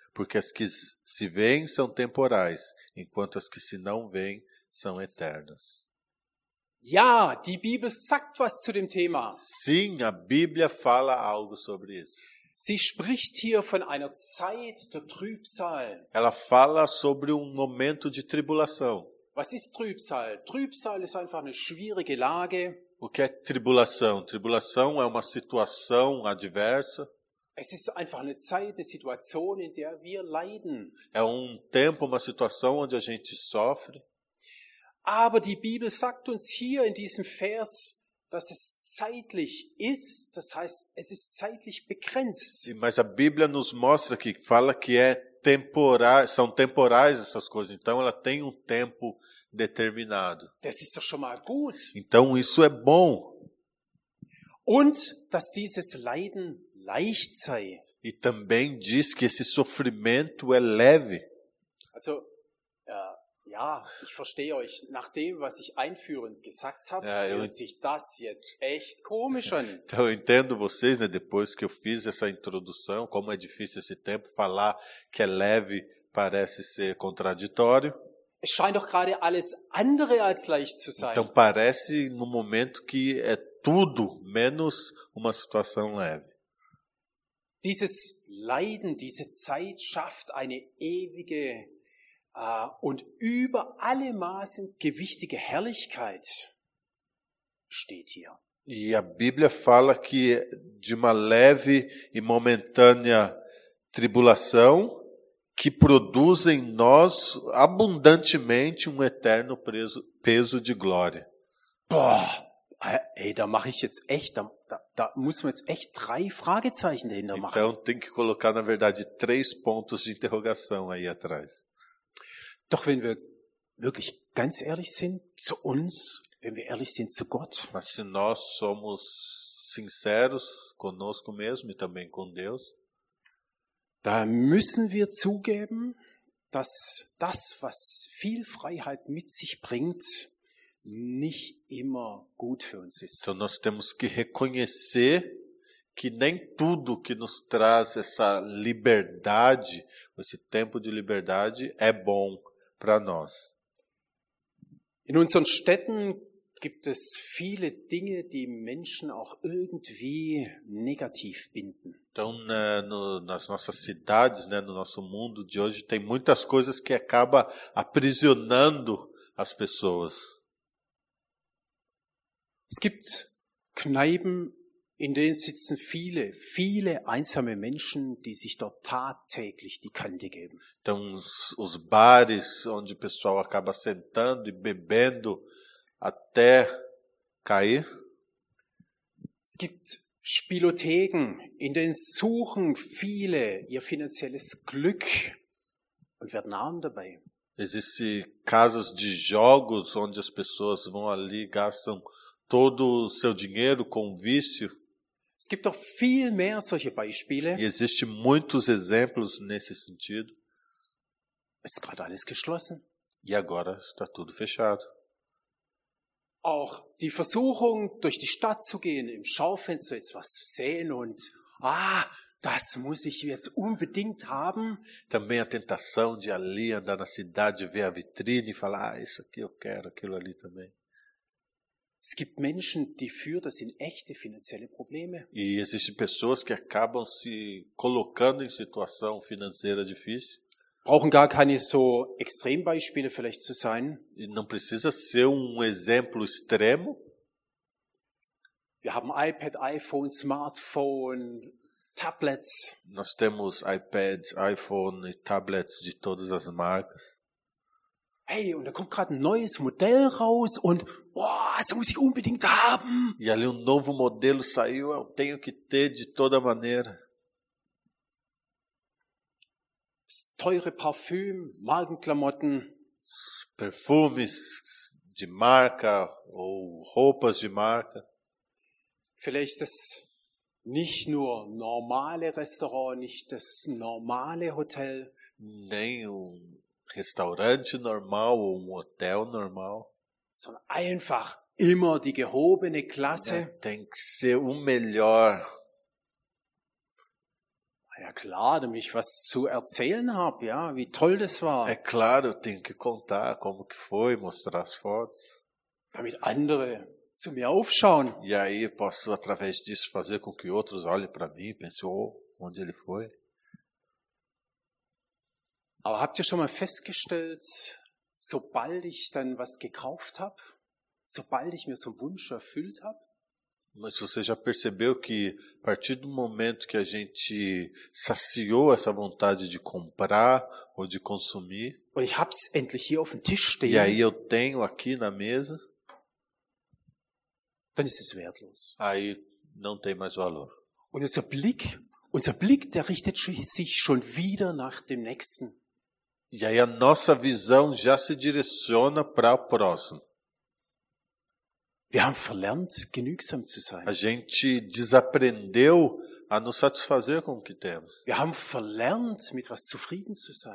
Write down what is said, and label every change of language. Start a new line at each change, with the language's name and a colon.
Portuguese: Porque as que se veem são temporais, enquanto as que se não veem são eternas.
German: Ja, die Bibel sagt was zu dem Thema.
Portuguese: Sim, a Bíblia fala algo sobre isso.
German: Sie spricht hier von einer Zeit der Trübsal.
Portuguese: Ela fala sobre um momento de tribulação.
German: Was ist Trübsal? Trübsal ist einfach eine schwierige Lage.
Portuguese: O que é tribulação? Tribulação é uma situação adversa.
German: Es ist einfach eine Zeit, eine Situation, in der wir leiden.
Portuguese: É um tempo, uma situação onde a gente sofre.
German: Aber die Bibel sagt uns hier in diesem Vers, dass es zeitlich ist, das heißt, es ist zeitlich begrenzt.
Portuguese: Mas a Bíblia nos mostra que fala que é temporal, são temporais essas coisas, então ela tem um tempo determinado.
German: Das ist doch schon mal gut.
Portuguese: Então isso é bom.
German: Und dass dieses Leiden leicht sei.
Portuguese: E também diz que esse sofrimento é leve.
German: Also, ja, ich verstehe euch. Nach dem, was ich einführend gesagt habe, hört sich das jetzt echt komisch an.
Portuguese: Então, eu entendo vocês, né, depois que eu fiz essa introdução, como é difícil esse tempo, falar que é leve parece ser contraditório.
German: Es scheint doch gerade alles andere als leicht zu sein.
Portuguese: Então, parece no momento que é tudo menos uma situação leve.
German: Dieses Leiden, diese Zeit schafft eine ewige und über alle Maßen gewichtige Herrlichkeit, steht hier.
Portuguese: E a Bíblia fala que de uma leve e momentânea tribulação que produz em nós abundantemente um eterno peso de glória.
German: Ey, da mache ich jetzt echt, da muss man jetzt echt drei Fragezeichen dahinter machen.
Portuguese: Então tem que colocar, na verdade, três pontos de interrogação aí atrás.
German: Doch wenn wir wirklich ganz ehrlich sind zu uns, wenn wir ehrlich sind zu Gott.
Portuguese: Mas se nós somos sinceros conosco mesmo e também com Deus.
German: Da müssen wir zugeben, dass das, was viel Freiheit mit sich bringt, nicht immer gut für uns ist.
Portuguese: Então nós temos que reconhecer que nem tudo que nos traz essa liberdade, esse tempo de liberdade, é bom para nós.
German: In unseren Städten gibt es viele Dinge, die Menschen auch irgendwie negativ binden.
Portuguese: Então, né, nas nossas cidades, né, no nosso mundo de hoje, tem muitas coisas que acaba aprisionando as pessoas.
German: Es gibt Kneipen In denen sitzen viele, viele einsame Menschen, die sich dort tagtäglich die Kante geben.
Portuguese: Então, os bares onde o pessoal acaba sentando e bebendo até cair.
German: Es gibt Spielotheken, in denen suchen viele ihr finanzielles Glück und werden arm dabei.
Portuguese: Existem casas de jogos onde as pessoas vão ali, gastam todo o seu dinheiro com vício.
German: Es gibt auch viel mehr solche Beispiele.
Portuguese: E existem muitos exemplos nesse sentido.
German: Es ist gerade alles geschlossen.
Portuguese: E agora está tudo fechado.
German: Auch die Versuchung, durch die Stadt zu gehen, im Schaufenster etwas zu sehen und das muss ich jetzt unbedingt haben.
Portuguese: Também a tentação de ali andar na cidade, ver a vitrine e falar, isso aqui eu quero, aquilo ali também.
German: Es gibt Menschen, die führen das in echte finanzielle Probleme.
Portuguese: E existem pessoas que acabam se colocando em situação financeira difícil.
German: Brauchen gar keine so Extrembeispiele vielleicht zu sein.
Portuguese: Não precisa ser exemplo extremo.
German: Wir haben iPad, iPhone, Smartphone, Tablets.
Portuguese: Nós temos iPad, iPhone e Tablets de todas as marcas.
German: Hey, und da kommt gerade ein neues Modell raus und das muss ich unbedingt haben.
Portuguese: E ali novo modelo saiu, eu tenho que ter de toda maneira.
German: Das teure Parfüm, Markenklamotten.
Portuguese: Perfumes de marca ou roupas de marca.
German: Vielleicht das nicht nur normale Restaurant, nicht das normale Hotel.
Portuguese: Nem restaurante normal ou hotel normal.
German: Sondern einfach immer die gehobene Klasse.
Portuguese: Tem que ser melhor.
German: Ja klar, damit ich was zu erzählen habe, ja, wie toll das war.
Portuguese: É claro, eu tenho que contar como que foi, mostrar as fotos.
German: Damit andere zu mir aufschauen.
Portuguese: E aí eu posso, através disso, fazer com que outros olhem para mim, pensem, onde ele foi.
German: Aber habt ihr schon mal festgestellt, sobald ich dann was gekauft habe, sobald ich mir so einen Wunsch erfüllt habe,
Portuguese: mas você já percebeu que a partir do momento que a gente saciou essa vontade de comprar ou de consumir,
German: und ich hab's endlich hier auf dem Tisch stehen,
Portuguese: e aí eu tenho aqui na mesa,
German: dann ist es wertlos.
Portuguese: Aí não tem mais valor.
German: Und unser Blick, der richtet sich schon wieder nach dem nächsten.
Portuguese: E aí a nossa visão já se direciona para o próximo.
German: Wir haben verlernt, genügsam zu sein.
Portuguese: A gente desaprendeu a nos satisfazer com o que temos.
German: Wir haben verlernt, mit was zufrieden zu sein.